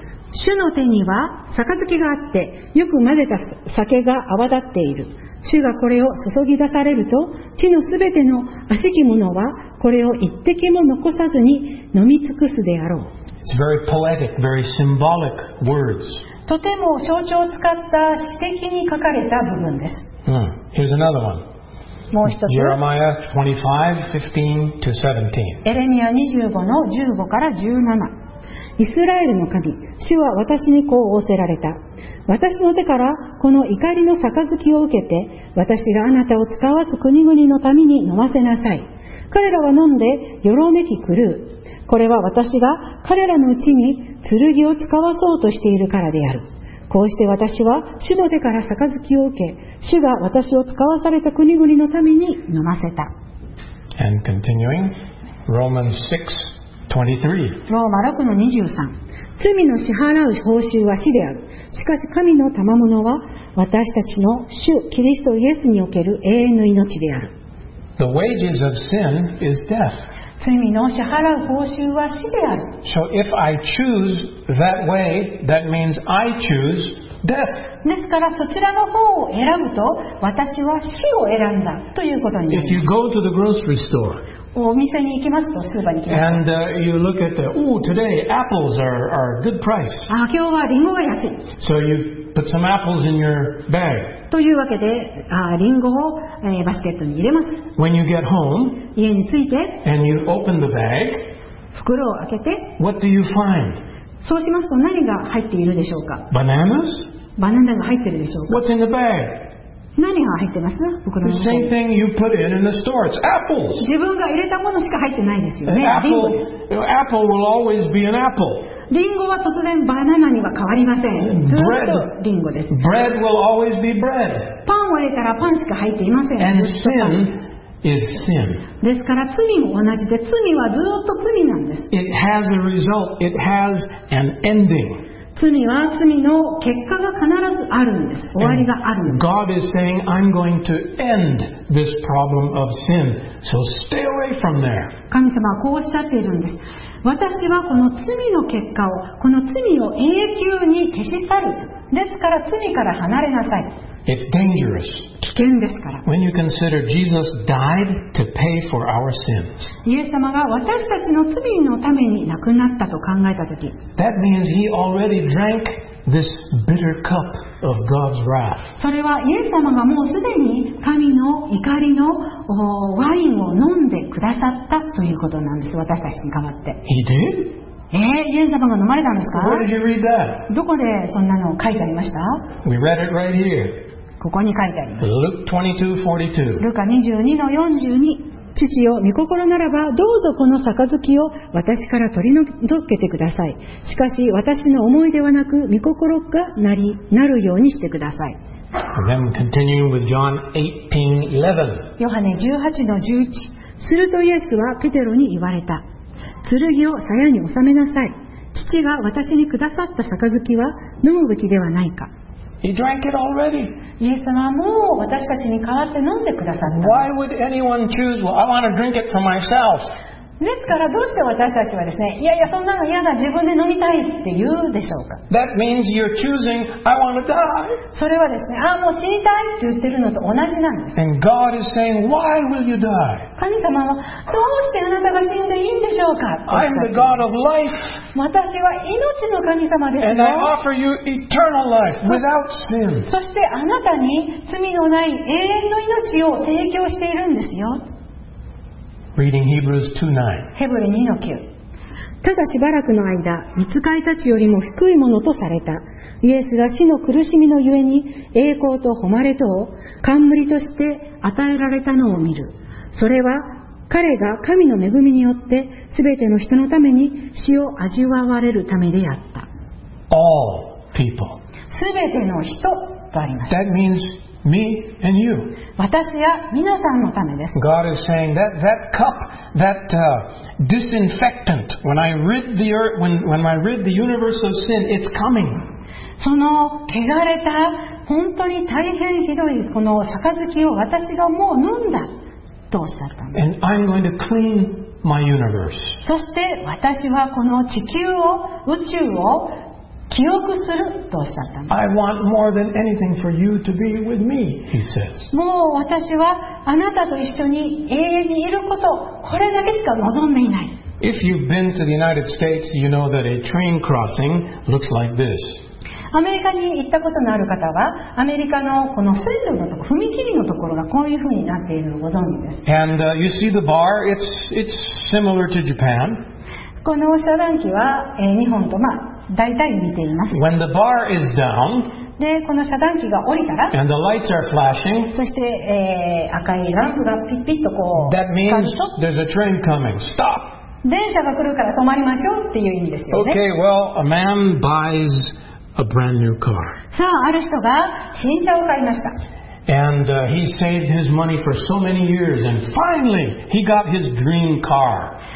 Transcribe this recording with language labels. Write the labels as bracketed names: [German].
[Japanese] 主の手には杯があって、よく混ぜた酒が泡立っている。主がこれを注ぎ出されると、地のすべての悪しき者はこれを一滴も残さずに飲み尽くすであろう。 [English] It's very poetic, very symbolic words. [Japanese] とても象徴を使った詩的に書かれた部分です。 [English] Here's another one. [Japanese] もう一つ。 [English] Jeremiah 25:15-17. [Japanese] エレミア25:15-17。イスラエルの神、主は私にこう仰せられた。私の手からこの怒りの杯を受けて、私があなたを使わす国々の民に飲ませなさい。彼らは飲んでよろめき狂う。これは私が彼らのうちに剣を使わそうとしているからである。こうして私は主の手から杯を受け、主が私を使わされた国々の民に飲ませた。 [English] And continuing, Romans 6:23. [Japanese] ローマ6の23。罪の支払う報酬は死である。しかし神の賜物は私たちの主キリストイエスにおける永遠の命である。 [English] The wages of sin is death. [Japanese] 罪の支払う報酬は死である。 [English] So if I choose that way, that means I choose death. [Japanese] ですからそちらの方を選ぶと、私は死を選んだということになります。 [English] If you go to the grocery store, [Japanese] お店に行きますと、スーパーに行きます。 [English] And you look at the, oh, today apples are good price. [Japanese] 今日はリンゴが安い。 [English] So you put some apples in your bag. [Japanese] というわけで、リンゴを、バスケットに入れます。 [English] When you get home, [Japanese] 家に着いて、 [English] and you open the bag, [Japanese] 袋を開けて、 [English] what do you find? [Japanese] そうしますと何が入っているでしょうか。 [English] Bananas? [Japanese] バナナが入っているでしょうか。 [English] What's in the bag? [Japanese] 何が入ってます？僕の。 [English] The same thing you put in the store. It's apples. [Japanese] 自分が入れたものしか入ってないですよね。 [English] Apple will always be an apple. [Japanese] リンゴは突然バナナには変わりません。ずっとリンゴです。 [English] Bread will always be bread. [Japanese] パンを入れたらパンしか入っていません。 [English] And sin is sin. [Japanese] ですから罪も同じで、罪はずっと罪なんです。 [English] It has a result. It has an ending. [Japanese] 罪は罪の結果が必ずあるんです。終わりがあるんです。 [English] God is saying, I'm going to end this problem of sin. So stay away from there. [Japanese] 神様はこうおっしゃっているんです。私はこの罪の結果を、この罪を永久に消し去る。ですから罪から離れなさい。 [English] It's dangerous. [Japanese] 危険ですから。 [English] When you consider Jesus died to pay for our sins. [Japanese] イエス様が私たちの罪のために亡くなったと考えたとき。 [English] That means he already drank this bitter cup of God's wrath. [Japanese] それはイエス様がもうすでに神の怒りのワインを飲んでくださったということなんです。私たちに代わって。 [English] He did? [Japanese] イエス様が飲まれたんですか。 [English] Where did you read that? [Japanese] どこでそんなの書いてありました。 [English] We read it right here. [Japanese] ここに書いてあります。 [English] Luke 22:42. [Japanese] ルカ22:42. 父よ、御心ならばどうぞこの杯を私から取り除けてください。しかし私の思いではなく御心がなるようにしてください。 [English] Then continuing with John 18:11. [Japanese] ヨハネ 18:11. するとイエスはペテロに言われた。剣を鞘に収めなさい。父が私にくださった杯は飲むべきではないか。 [English] He drank it already. [Japanese] イエス様はもう私たちに代わって飲んでくださった。 [English] Why would anyone choose? Well, I want to drink it for myself. [Japanese] ですからどうして私たちはですね、いやいやそんなの嫌だ、自分で飲みたいって言うでしょうか。 [English] That means you're choosing, I want to die. [Japanese] それはですね、ああもう死にたいって言ってるのと同じなんです。 [English] And God is saying, why will you die? [Japanese] 神様はどうしてあなたが死んでいいんでしょうか。 [English] I'm the God of life. [Japanese] 私は命の神様ですよ。 [English] And I offer you eternal life without sin. [Japanese] そしてあなたに罪のない永遠の命を提供しているんですよ。 [English] Reading Hebrews 2:9. [Japanese] ヘブル 2:9. ただしばらくの間、御使いたちよりも低いものとされた。イエスが死の苦しみのゆえに、栄光と誉れとを冠として与えられたのを見る。それは、彼が神の恵みによって、すべての人のために死を味わわれるためであった。 [English] All people. [Japanese] すべての人とあります。 [English] That means me and you. [Japanese] 私や皆さんのためです。 [English] God is saying that that cup, that disinfectant, when I rid the earth, when I rid the universe of sin, it's coming. [Japanese] その汚れた本当に大変ひどいこの杯を私がもう飲んだとおっしゃったんです。 [English] And I'm going to clean my universe. [Japanese] そして私はこの地球を宇宙を清くするとおっしゃったんです。 [English] I want more than anything for you to be with me, he says. [Japanese] もう私はあなたと一緒に永遠にいること、これだけしか望んでいない。 [English] If you've been to the United States, you know that a train crossing looks like this. [Japanese] アメリカに行ったことのある方は、アメリカのこの線路のとこ、踏切のところがこういうふうになっているのをご存知です。 [English] And you see the bar, it's similar to Japan. [Japanese] この遮断機は、日本とまあ、大体見ています。 [English] When the bar is down, [Japanese] で、この遮断機が降りたら、 [English] and the lights are flashing, [Japanese] そして、赤いランプがピッピッとこう、 [English] that means there's a train coming. Stop. [Japanese] 電車が来るから止まりましょうっていう意味ですよね。 [English] Okay, well, a man buys a brand new car. [Japanese] さあ、ある人が新車を買いました。 [English] And he saved his money for so many years, and finally he got his dream car.